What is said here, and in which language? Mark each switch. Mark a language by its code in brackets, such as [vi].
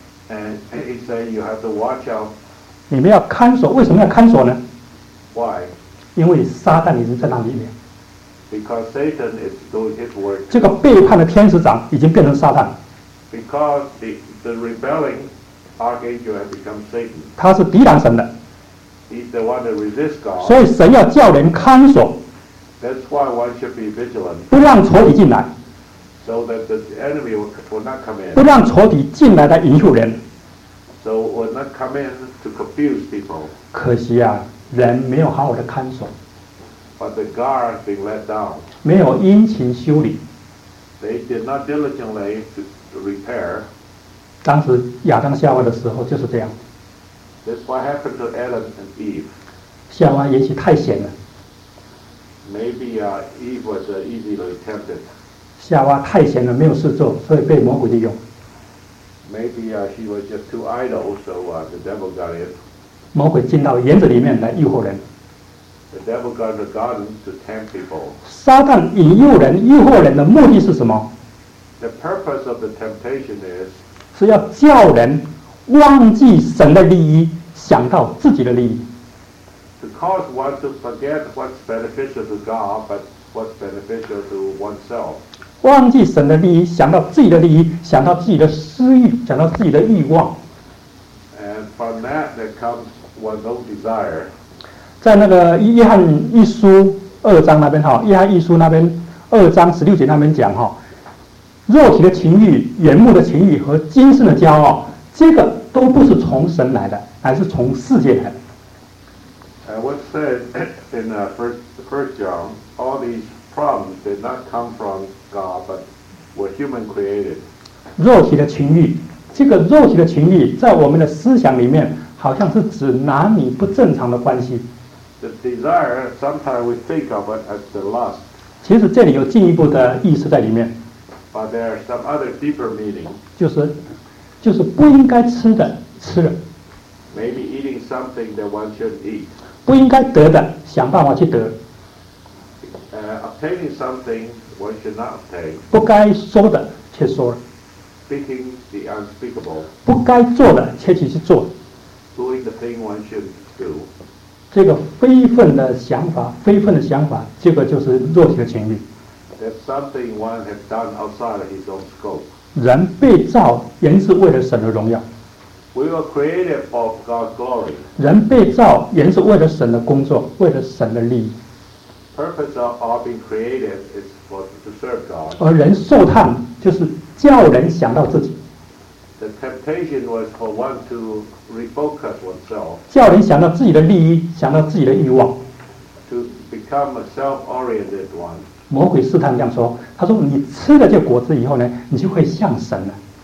[en] And he said you have to watch out. [zh] 你们要看守，为什么要看守呢？ [en] Why? [zh] 因为撒旦已经在那里面。 [en] Because Satan is doing his work. [zh] 这个背叛的天使长已经变成撒旦。 [en] Because the rebelling archangel has become Satan. [zh] 他是抵挡神的。 [en] He's the one that resists God. [zh] 所以神要叫人看守。 [en] That's why one should be vigilant. [zh] 不让仇敌进来。 [en] So that the enemy will not come in. [zh] 不让仇敌进来来引诱人。 [en] So will not come in to confuse people. [zh] 可惜啊，人没有好好的看守。 [en] But the guard has been let down. [zh] 没有殷勤修理。 [en] They did not diligently to repair. [zh] 当时亚当夏娃的时候就是这样。 [en] That's what happened to Adam and Eve. [zh] 夏娃也许太险了。 [en] Maybe Eve was easily tempted. [zh] 夏娃太闲了，没有事做，所以被魔鬼利用。 [en] Maybe she was just too idle, so the devil got in. [zh] 魔鬼进到园子里面来诱惑人。 [en] The devil got in the garden to tempt people. [zh] 撒旦引诱人、诱惑人的目的是什么？ [en] The purpose of the temptation is [zh] 是要叫人忘记神的利益，想到自己的利益。 [en] To cause one to forget what's beneficial to God, but what's beneficial to oneself. [zh] 忘记神的利益，想到自己的利益，想到自己的私欲，想到自己的欲望。 [en] And from that, there comes one's own desire. [zh] 在那个约翰一书二章那边哈，约翰一书那边二章十六节那边讲哈，肉体的情欲、眼目的情欲和今生的骄傲，这个都不是从神来的，而是从世界来的。 [en] What said in first John, all these problems did not come from God, but were human created. [zh] 肉体的情欲，这个肉体的情欲在我们的思想里面，好像是指男女不正常的关系。 [en] The desire sometimes we think of it as the lust. [zh] 其实这里有进一步的意思在里面。 [en] But there are some other deeper meaning. [zh] 就是不应该吃的吃了。 [en] Maybe eating something that one shouldn't eat. [zh] 不应该得的想办法去得。 [en] Obtaining something. One should not obtain. [zh] 不该说的却说了。 [en] Speaking the unspeakable. [zh] 不该做的却去做。 [en] Doing the thing one should do. [zh] 这个非分的想法，非分的想法，这个就是肉体的权利。 [en] If something one has done outside of his own scope, [zh] 人被造原是为了神的荣耀。 [en] We were created of God's glory. [zh] 人被造原是为了神的工作，为了神的利益。 [en] Purpose of our being created is for to serve God. [zh] 而人受探就是叫人想到自己。 [en] The temptation was for one to refocus oneself. [zh] 叫人想到自己的利益，想到自己的欲望。 [en] To become a self-oriented one. [zh] 魔鬼试探这样说，他说你吃了这果子以后呢，你就会像神了。